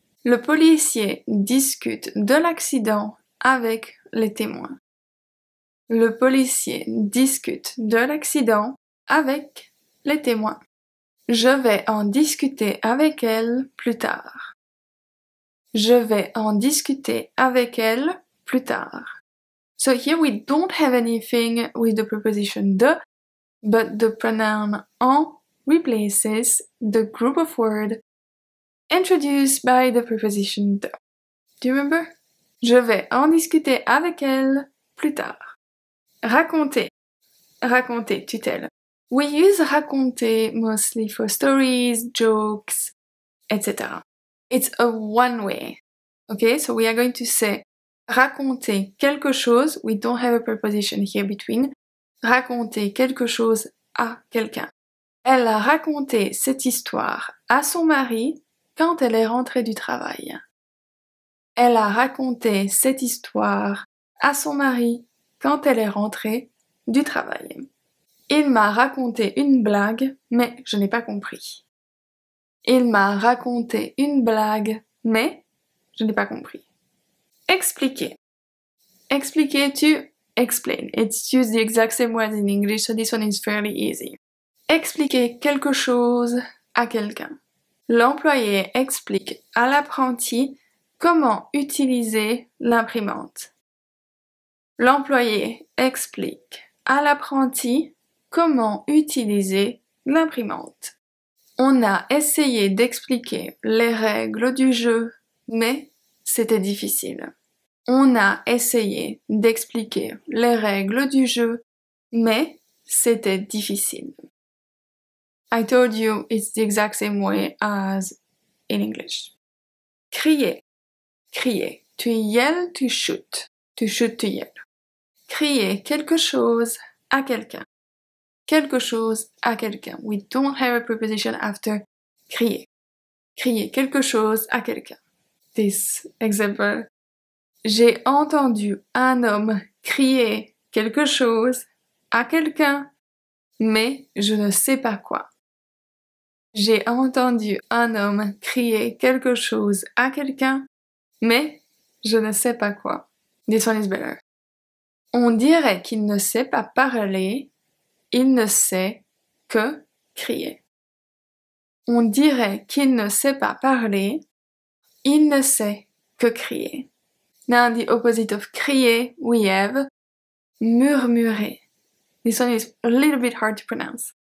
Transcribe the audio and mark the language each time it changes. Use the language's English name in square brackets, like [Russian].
[French] Le policier discute de l'accident avec les témoins. Le policier discute de l'accident avec les témoins. Je vais en discuter avec elle plus tard. Je vais en discuter avec elle plus tard. [English] So here we don't have anything with the preposition de, but the pronoun en replaces the group of words introduced by the preposition de. Do you remember? [French] Je vais en discuter avec elle plus tard. [English] Raconter. Raconter, tutelle. We use raconter mostly for stories, jokes, etc. It's a one way. Okay, so we are going to say [French] raconter quelque chose. [English] We don't have a preposition here between. [French] Raconter quelque chose à quelqu'un. Elle a raconté cette histoire à son mari quand elle est rentrée du travail. Elle a raconté cette histoire à son mari quand elle est rentrée du travail. Il m'a raconté une blague, mais je n'ai pas compris. Il m'a raconté une blague, mais je n'ai pas compris. Expliquer. Expliquer, tu explain. [English] It's used the exact same word in English, so this one is fairly easy. [French] Expliquer quelque chose à quelqu'un. L'employé explique à l'apprenti comment utiliser l'imprimante. L'employé explique à l'apprenti comment utiliser l'imprimante. On a essayé d'expliquer les règles du jeu, mais c'était difficile. On a essayé d'expliquer les règles du jeu, mais c'était difficile. [English] I told you it's the exact same way as in English. Crier. Crier. To yell, to shoot. To shoot, to yell. [French] Crier quelque chose à quelqu'un. Quelque chose à quelqu'un. [English] We don't have a preposition after crier. [French] Crier quelque chose à quelqu'un. [English] This example. [French] J'ai entendu un homme crier quelque chose à quelqu'un, mais je ne sais pas quoi. J'ai entendu un homme crier quelque chose à quelqu'un, mais je ne sais pas quoi. [English] This one is better. [French] On dirait qu'il ne sait pas parler, il ne sait que crier. On dirait qu'il ne sait pas parler, il ne sait que crier. [English] Now the opposite of crier, we have murmurer. This one is a little bit hard to pronounce.